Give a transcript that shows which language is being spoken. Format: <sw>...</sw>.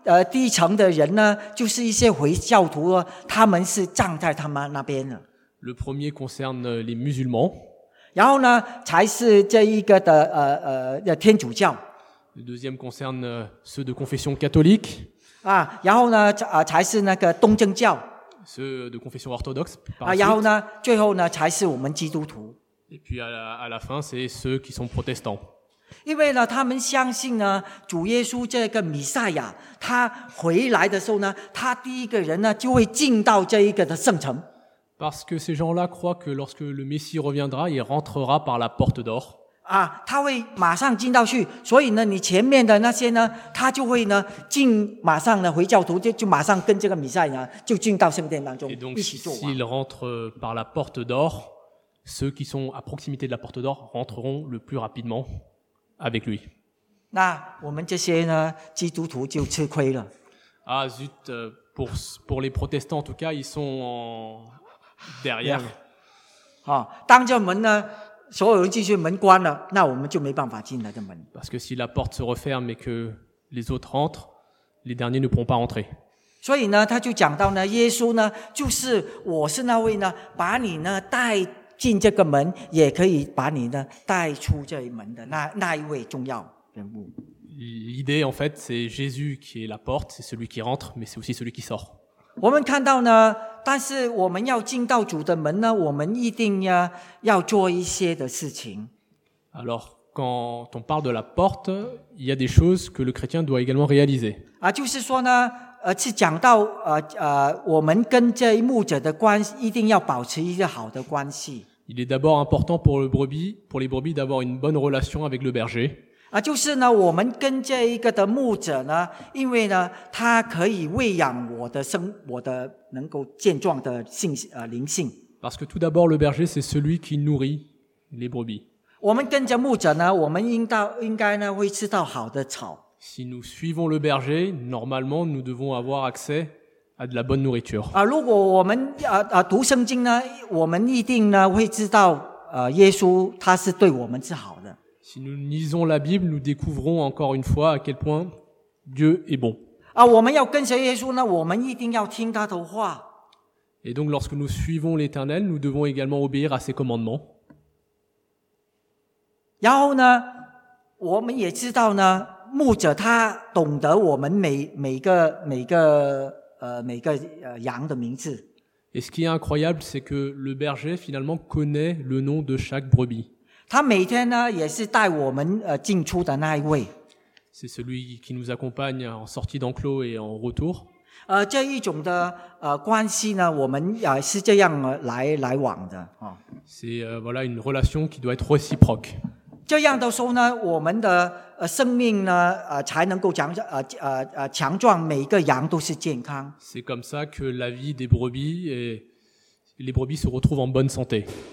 <zh>第一层的人呢，就是一些回教徒，他们是葬在他们那边的。</zh> <fr>Le premier concerne les musulmans.</fr> <zh>然后呢，才是这一个的天主教。</zh> <fr>Le deuxième concerne ceux de confession catholique.</fr> <zh>然后呢，才是那个东正教。</zh> <fr>Ceux de confession orthodoxe.</fr> <zh>然后呢，最后呢，才是我们基督徒。</zh> <fr>Et puis à la fin, c'est ceux qui sont protestants.</fr> <zh>因为呢，他们相信呢，主耶稣这个弥赛亚，他回来的时候呢，他第一个人呢就会进到这一个的圣城。</zh> <fr>Parce que ces gens-là croient que lorsque le Messie reviendra, il rentrera par la porte d'or.</fr> <zh>他会马上进到去，所以呢，你前面的那些呢，他就会呢进，马上呢回教徒就马上跟这个弥赛亚就进到圣殿当中一起做。</zh> <fr>Et donc, s'il rentre par la porte d'or. Ceux qui sont à proximité de la porte d'or rentreront le plus rapidement avec lui.</fr> <zh>那我们这些呢，基督徒就吃亏了。</zh> <fr>Ah zut, pour les protestants en tout cas, ils sont derrière.</fr> <zh>当这门呢，所有人进去门关了，那我们就没办法进那个门。</zh> <fr>Parce que si la porte se referme et que les autres rentrent, les derniers ne pourront pas entrer.</fr> <zh>所以呢，他就讲到呢，耶稣呢，就是我是那位呢，把你呢带。进这个门也可以把你呢带出这一门的那一位重要人物。</zh> <fr>L'idée en fait, c'est Jésus qui est la porte, c'est celui qui rentre, mais c'est aussi celui qui sort.</fr> <zh>我们看到呢，但是我们要进到主的门呢，我们一定要做一些的事情。</zh> <fr>Alors, quand on parle de la porte, il y a des choses que le chrétien doit également réaliser.</fr> <zh>就是说呢，是讲到我们跟这一牧者的关系一定要保持一个好的关系。</zh> <fr>Il est d'abord important pour les brebis d'avoir une bonne relation avec le berger.</fr> <zh>就是呢，我们跟这一个的牧者呢，因为呢，他可以喂养我的能够健壮的灵性。</zh> <fr>Parce que tout d'abord, le berger c'est celui qui nourrit les brebis.</fr> <zh>我们跟着牧者呢，我们应该呢会吃到好的草。</zh> <fr>Si nous suivons le berger, normalement, nous devons avoir accès à de la bonne nourriture.</fr> <zh>如果我们读圣经呢，我们一定呢会知道耶稣他是对我们是好的。</zh> <fr>Si nous lisons la Bible, nous découvrons encore une fois à quel point Dieu est bon.</fr> <zh>我们要跟随耶稣呢，我们一定要听他的话。</zh> <fr>Et donc, lorsque nous suivons l'Éternel, nous devons également obéir à ses commandements.</fr> <zh>然后呢，我们也知道呢。牧者他懂得我们每个羊的名字。</zh> <fr>Et ce qui est incroyable, c'est que le berger finalement connaît le nom de chaque brebis.</fr> <zh>他每天呢也是带我们进出的那一位。</zh> <fr>C'est celui qui nous accompagne en sortie d'enclos et en retour.</fr> <zh>这一种的关系呢，我们是这样来往的。</zh> <fr>C'est voilà une relation qui doit être réciproque.</fr> <zh>这样的时候呢，我们的生命呢，才能够强壮，每一个羊都是健康。</zh> <fr>C'est comme ça que la vie des brebis et les brebis se retrouvent en bonne santé.</fr>